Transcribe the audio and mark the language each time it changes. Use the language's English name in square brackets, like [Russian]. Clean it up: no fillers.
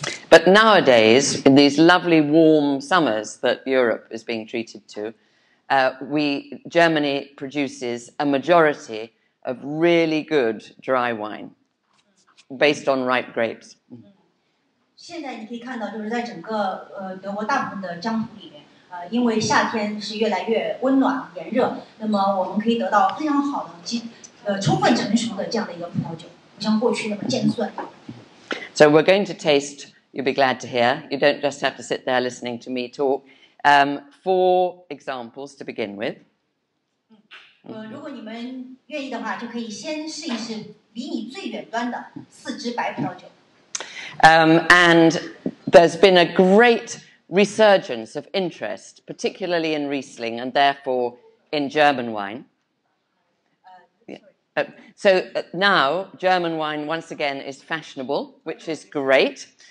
[English] But nowadays, in these lovely warm summers that Europe is being treated to, Germany produces a majority of really good dry wine based on ripe grapes. [Chinese] 现在你可以看到，就是在整个德国大部分的疆土里面。因为夏天是越来越温暖炎热，那么我们可以得到非常好的充分成熟的这样的一个葡萄酒，不像过去那么渐酸。 [English] So we're going to taste, you'll be glad to hear, you don't just have to sit there listening to me talk, four examples to begin with. [Chinese] 如果你们愿意的话，就可以先试一试离你最远端的四支白葡萄酒。 [English] And there's been a great resurgence of interest, particularly in Riesling and therefore in German wine. Now German wine once again is fashionable, which is great.